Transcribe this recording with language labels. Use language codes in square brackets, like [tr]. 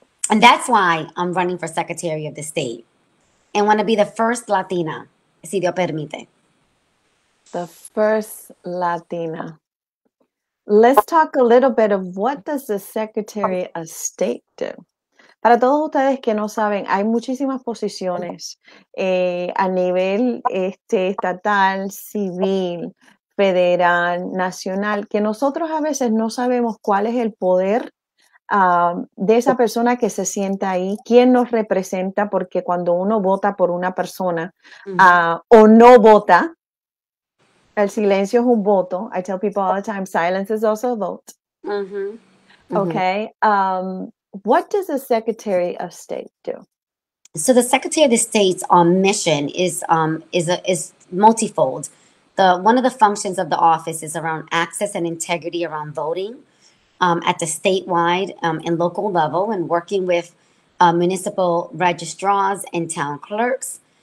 [en] And that's why I'm running for Secretary of the State and want to be the first Latina, [es] si Dios permite. [en] The first Latina. Let's talk a little bit of what does the Secretary of State do. [es] Para todos ustedes que no saben, hay muchísimas posiciones a nivel estatal, civil, federal, nacional, que nosotros a veces no sabemos cuál es el poder de esa persona que se sienta ahí, quién nos representa, porque cuando uno vota por una persona o no vota, el silencio es un voto. [en] I tell people all the time, silence is also a vote. Okay. What does the Secretary of State do? So the Secretary of the State's mission is multifold. One of the functions of the office is around access and integrity around voting at the statewide and local level, and working with municipal registrars and town clerks.